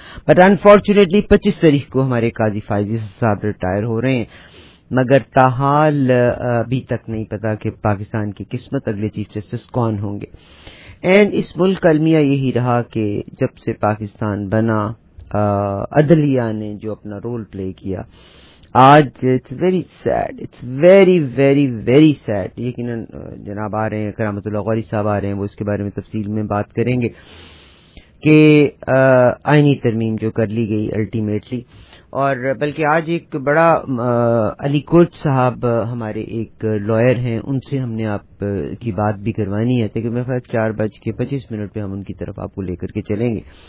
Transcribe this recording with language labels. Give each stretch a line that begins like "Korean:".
English: but unfortunately
Urdu: 25 تاریخ کو ہمارے قاضی فائز عیسیٰ صاحب ریٹائر ہو رہے ہیں, مگر تاحال ابھی تک نہیں پتا کہ پاکستان کی قسمت اگلے چیف جسٹس کون ہوں گے. اینڈ اس ملک کا المیہ یہی رہا کہ جب سے پاکستان بنا عدلیہ نے جو اپنا رول پلے کیا. آج
English: It's very sad, it's very very very sad.
Urdu: یقیناً جناب آ رہے ہیں کرامت اللہ غوری صاحب آ رہے ہیں, وہ اس کے بارے میں تفصیل میں بات کریں گے کہ آئینی ترمیم جو کر لی گئی الٹیمیٹلی. اور بلکہ آج ایک بڑا علی کوٹ صاحب ہمارے ایک لائر ہیں, ان سے ہم نے آپ کی بات بھی کروانی ہے, تاکہ میرے خیال 4:25 پہ ہم ان کی طرف آپ کو لے کر کے چلیں گے.